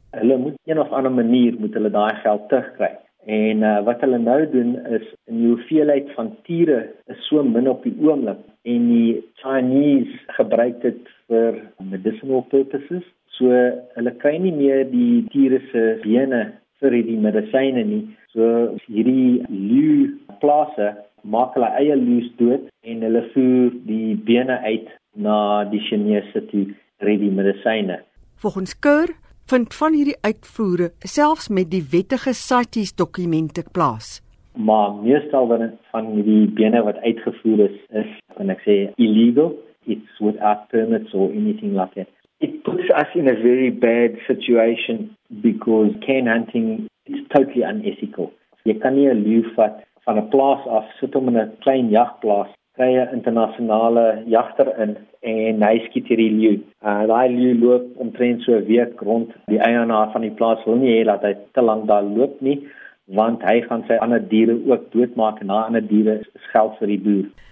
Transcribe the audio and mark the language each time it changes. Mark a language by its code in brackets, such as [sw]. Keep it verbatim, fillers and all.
[af] Hulle moet een of ander manier moet hulle daai geld terugkry. En uh, wat hulle nou doen is, die hoeveelheid van tiere is so min op die oomblik. En die Chinese gebruik dit vir [en] medicinal purposes. [af] So hulle kry nie meer die tiere se bene vir die medisyne nie. So hierdie leeu plase maak hulle eie leeu's dood en hulle voer die bene uit na die Chinese toe vir die medisyne. Volgens Keur vind van hierdie uitvoere selfs met die wettige C I T E S dokumente plaas. Maar meestal van die bene wat uitgevoer is, is, kan ek sê, illegal. [en] It's without permits or anything like that. It puts us in a very bad situation because cane hunting is totally unethical. [af] Jy kan nie 'n leeu vat van 'n plaas af, sit hom in 'n klein jagplaas, kry 'n internasionale jagter in en hy skiet hierdie leeu. Uh, daai leeu loop omtrent so 'n week rond. Die eienaar van die plaas wil nie hê dat hy te lank daar loop nie, want hy gaan sy ander diere ook doodmaak en na ander diere skeld vir die boer.